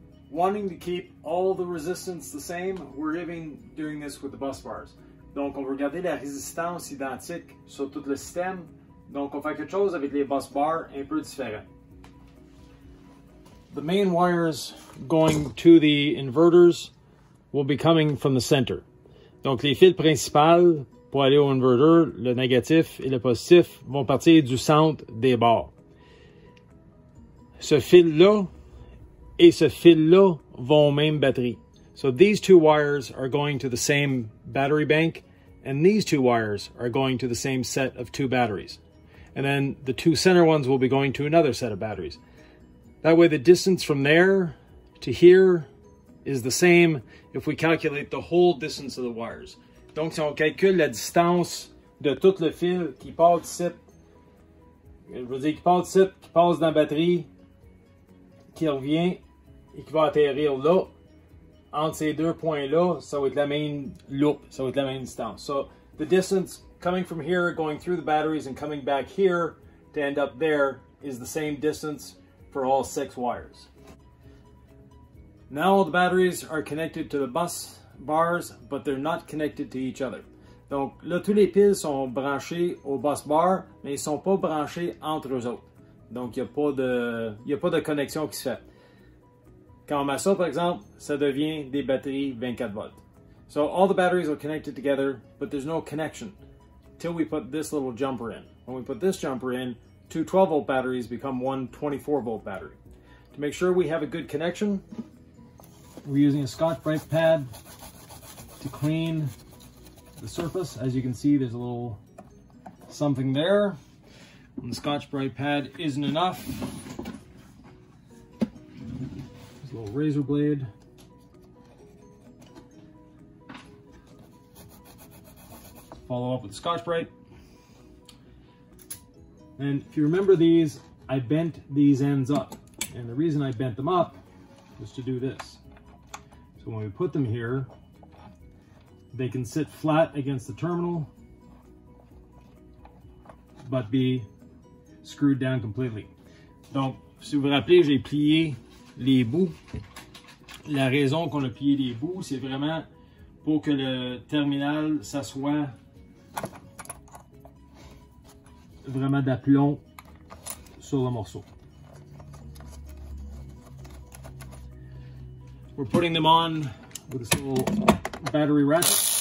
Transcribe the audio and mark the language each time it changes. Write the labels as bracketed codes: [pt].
[en] Wanting to keep all the resistance the same, we're even doing this with the bus bars. [fr] Donc, on veut garder la résistance identique sur tout le système. Donc, on fait quelque chose avec les bus bars un peu différent. [en] The main wires going to the inverters will be coming from the center. [fr] Donc, les fils principales pour aller au inverter, le négatif et le positif, vont partir du centre des bars. Ce fil-là, et ce fil-là vont aux mêmes batteries. [en] So these two wires are going to the same battery bank, and these two wires are going to the same set of two batteries. And then the two center ones will be going to another set of batteries. That way the distance from there to here is the same if we calculate the whole distance of the wires. [fr] Donc si on calcule la distance de tout le fil qui part de ici, qui passe dans la batterie, qui revient et qui va atterrir là, entre ces deux points-là, ça va être la même loop, ça va être la même distance. [en] So, the distance coming from here, going through the batteries, and coming back here to end up there is the same distance for all 6 wires. Now all the batteries are connected to the bus bars, but they're not connected to each other. [fr] Donc là, tous les piles sont branchées au bus bar, mais ils ne sont pas branchés entre eux autres. Donc, il n'y a pas de connexion qui se fait. Quand on met ça, par exemple, ça devient des batteries 24 volts. [en] So, all the batteries are connected together, but there's no connection till we put this little jumper in. When we put this jumper in, two 12-volt batteries become one 24-volt battery. To make sure we have a good connection, we're using a Scotch-Brite pad to clean the surface. As you can see, there's a little something there. And the Scotch-Brite pad isn't enough. There's a little razor blade. Follow up with the Scotch-Brite. And if you remember these, I bent these ends up. And the reason I bent them up was to do this. So when we put them here, they can sit flat against the terminal, but be screwed down completely. [fr] Donc, si vous vous rappelez, j'ai plié les bouts. La raison qu'on a plié les bouts, c'est vraiment pour que le terminal s'assoie vraiment d'aplomb sur le morceau. [en] We're putting them on with this little battery ratchet.